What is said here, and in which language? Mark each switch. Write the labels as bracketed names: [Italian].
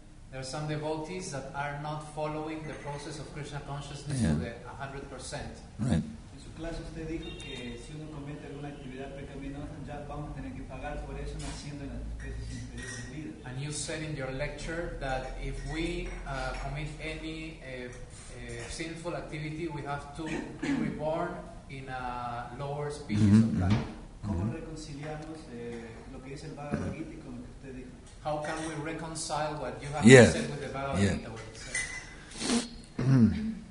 [English] There are some devotees that are not following the process of Krishna consciousness to the 100%. Right. [Spanish] En su clase usted dijo que si uno comete alguna actividad pecaminosa, ya vamos a tener que pagar por eso naciendo en las especies inferiores de vida. [English] And you said in your lecture that if we commit any sinful activity, we have to be reborn in a lower species of life. [Spanish] ¿Cómo reconciliamos lo que dice el Bhagavad Gita con lo que usted dijo? [English] How can we reconcile what you have said with the Bhagavad Gita?